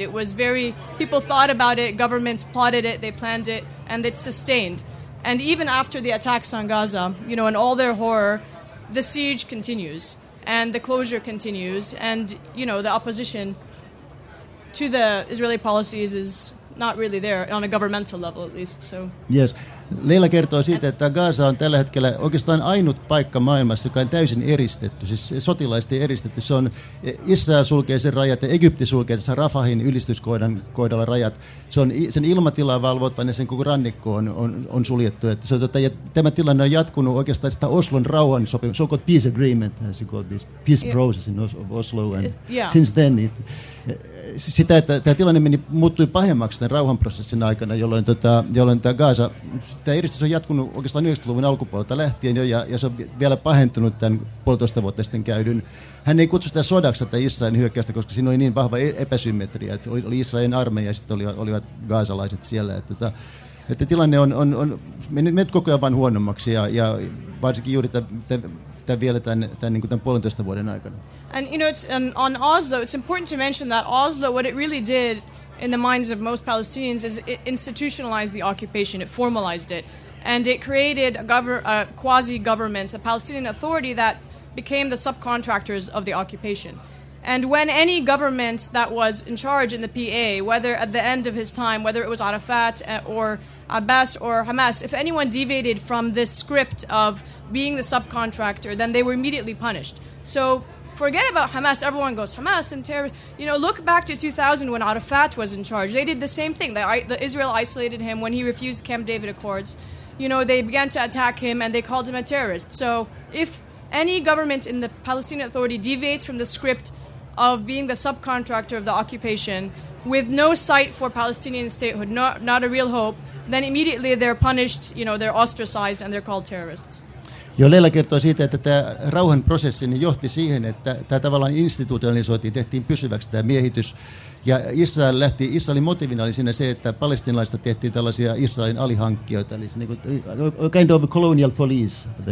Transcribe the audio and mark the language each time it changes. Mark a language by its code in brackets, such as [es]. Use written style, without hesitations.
[en] It was very, people thought about it, governments plotted it, they planned it, and it's sustained. And even after the attacks on Gaza, you know, and all their horror, the siege continues and the closure continues. And, you know, the opposition to the Israeli policies is not really there on a governmental level at least. So yes. [fi] Leila kertoo siitä, että Gaza on tällä hetkellä oikeastaan ainut paikka maailmassa, joka on täysin eristetty, siis sotilaisesti eristetty. Se on, Israel sulkee sen rajat ja Egypti sulkee tässä Rafahin ylistyskohdalla rajat. Se on, sen ilmatilaa valvotaan ja sen koko rannikko on suljettu. Että se, ja tämä tilanne on jatkunut oikeastaan sitä Oslon rauhan sopimus, [en] so-called peace agreement, as you call this peace process in Oslo, and since then it, [fi] sitä, että tämä tilanne meni, muuttui pahemmaksi tämän rauhanprosessin aikana, jolloin, jolloin tämä Gaza, tämä eristys on jatkunut oikeastaan 90-luvun alkupuolelta lähtien jo, ja se on vielä pahentunut tämän 1,5 vuotta sitten käydyn. Hän ei kutsu sitä sodaksi tätä Israelin hyökkäystä, koska siinä oli niin vahva epäsymmetria, että oli Israelin armeija ja sitten olivat gaasalaiset siellä. Että tilanne on mennyt koko ajan vain huonommaksi, ja varsinkin juuri tämän vielä tämän 1,5 vuoden aikana. [en] And you know, it's on Oslo, it's important to mention that Oslo, what it really did in the minds of most Palestinians is it institutionalized the occupation, it formalized it, and it created a quasi-government, a Palestinian authority that became the subcontractors of the occupation. And when any government that was in charge in the PA, whether at the end of his time, whether it was Arafat or Abbas or Hamas, if anyone deviated from this script of being the subcontractor, then they were immediately punished. So forget about Hamas. Everyone goes, Hamas and terror. You know, look back to 2000 when Arafat was in charge. They did the same thing. The Israel isolated him when he refused the Camp David Accords. You know, they began to attack him and they called him a terrorist. So if any government in the Palestinian Authority deviates from the script of being the subcontractor of the occupation with no sight for Palestinian statehood, not a real hope, then immediately they're punished, you know, they're ostracized and they're called terrorists. [fi] Joo, Leila kertoo siitä, että tämä rauhanprosessi johti siihen, että tämä tavallaan institutionalisoitiin, tehtiin pysyväksi tämä miehitys. Ja Israel lähti, Israelin motiivina oli siinä se, että palestinalaista tehtiin tällaisia Israelin alihankkijoita. Eli niin kuin, [en] kind of a colonial police.